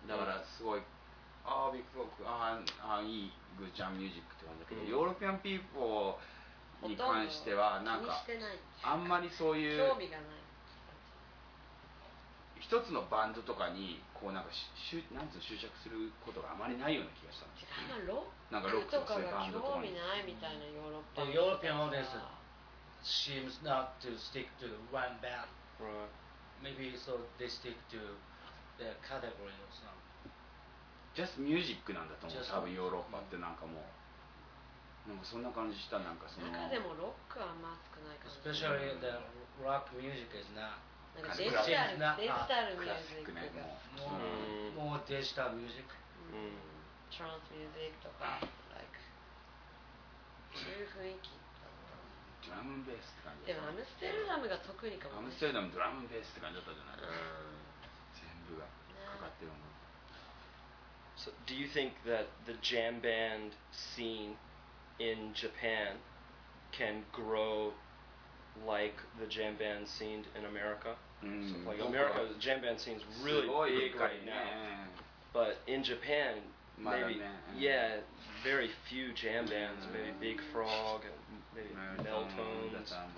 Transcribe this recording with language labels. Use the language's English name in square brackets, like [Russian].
[Japanese] だからすごい、ああ、ビッグフォーク、ああ、いい、 [English] グッジャムミュージック [Japanese] って感じだけど、 [English] ヨーロピアンピーポー [Japanese] に関しては、なんか、あんまりそういう、興味がない。一つのバンドとかに、こう、なんか、なんつう、執着することがあまりないような気がしたんですよ。なんかロックとかそういうバンドとかに。興味ないみたいな、ヨーロピアン [English] ピーポー。ヨーロピアンオーディエンス、seems not to stick to one band. Right. Maybe so they stick to the category or something. Just music [Japanese] なんだと思う。多分ヨーロッパってなんかもう、なんかそんな感じした。なんかその中でもロックはあんま少ない感じ。 [English] Especially the rock music is not classic. [Japanese] デジタルミュージックがもうデジタルミュージック。 [English] Trance music [Japanese] とか、like そういう雰囲気だった。ドラムベースって感じ。でもアムステルダムが特にかもしれない。アムステルダムドラムベースって感じだったじゃないですか。全部がかかってるもん。 [English] So, do you think that the jam band scene in Japan can grow like the jam band scene in America? So, like America, the jam band scene is really big right now. But in Japan, maybe, yeah, very few jam bands, maybe Big Frog, and maybe Meltones.